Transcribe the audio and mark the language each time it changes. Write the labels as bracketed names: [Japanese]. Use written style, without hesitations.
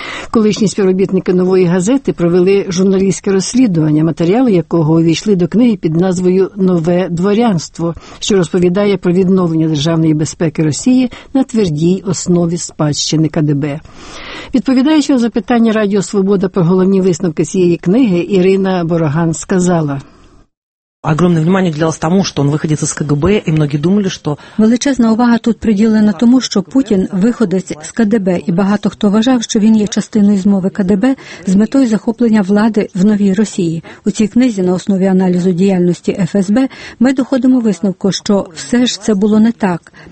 [Ukrainian] Колишні співробітники «Нової газети» провели журналістське розслідування, матеріали якого увійшли до книги під назвою «Нове дворянство», що розповідає про відновлення державної безпеки Росії на твердій основі спадщини КДБ. Відповідаючи на запитання Радіо Свобода про головні висновки цієї книги, Ірина Бороган сказала. [Russian] Огромне внимание уделялось тому, что он выходец из КГБ, и многие думали, что... [Ukrainian] Величезна увага тут приділена тому, що Путін – виходець з КДБ, і багато хто вважав, що він є частиною змови КДБ з метою захоплення влади в новій Росії. У цій книзі, на основі аналізу діяльності ФСБ, ми доходимо висновку, що все ж це було не так.